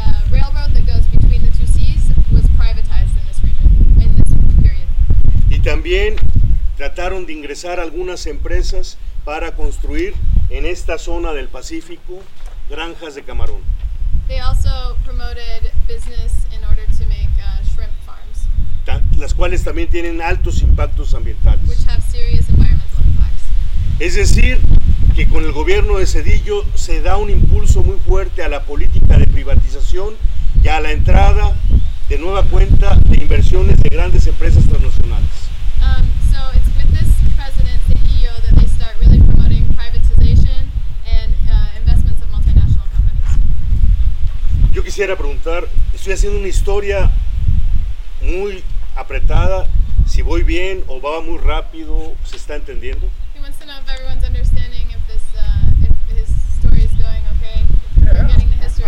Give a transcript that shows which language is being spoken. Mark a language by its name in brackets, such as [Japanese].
[English] Railroad that goes between the two seas was privatized in this region, in this period. [Spanish] Y también trataron de ingresar algunas empresas para construir en esta zona del Pacífico granjas de camarón. [English] They also promoted business in order to make shrimp farms. [Spanish] Las cuales también tienen altos impactos ambientales. [English] Which have serious environmental impacts. [Spanish] Es decir, que con el gobierno de Cedillo se da un impulso muy fuerte a la política de privatización y a la entrada de nueva cuenta de inversiones de grandes empresas transnacionales. [English] So it's with this president Cedillo that they start really promoting privatization and investments of multinational companies. [Spanish] Yo quisiera preguntar, estoy haciendo una historia muy apretada, si voy bien o va muy rápido, ¿se está entendiendo? [English] He wants to know if everyone's understanding if this if his story is going okay.